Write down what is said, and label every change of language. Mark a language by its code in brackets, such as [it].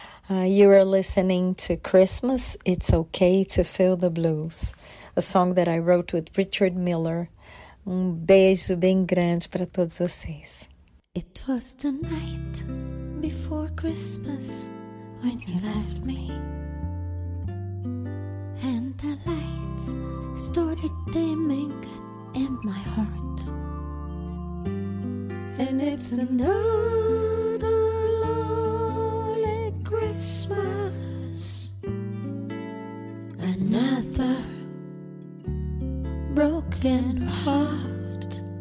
[en] You are listening to Christmas, It's Okay to Feel the Blues, a song that I wrote with Richard Miller. [pt] Um beijo bem grande para todos vocês. [en] It was the night before Christmas when you left me, and the lights started dimming in my heart. And it's another lonely Christmas, another broken heart.